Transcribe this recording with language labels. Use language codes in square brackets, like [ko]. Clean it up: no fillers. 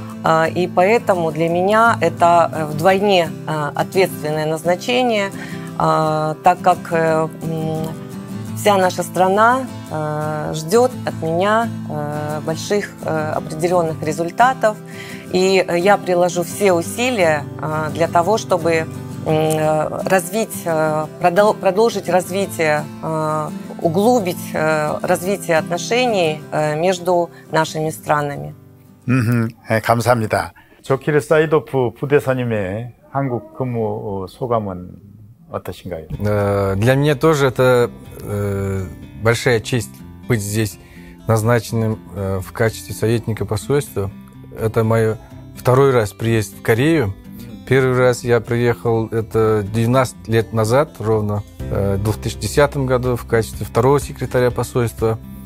[ru] И поэтому для меня это вдвойне ответственное назначение, так как вся наша страна ждет от меня больших определенных результатов. И я приложу все усилия для того, чтобы продолжить развитие, углубить развитие отношений между нашими странами. [ko] 감사합니다. 조키르 사이도프 부대사님의 한국 근무 소감은 어떠신가요? [ru] Для меня тоже это большая честь быть здесь назначенным в качестве советника посольства. Это мой второй раз приезд в Корею. Первый раз я приехал, это 19 лет назад, ровно в 2010 году, в качестве второго секретаря посольства.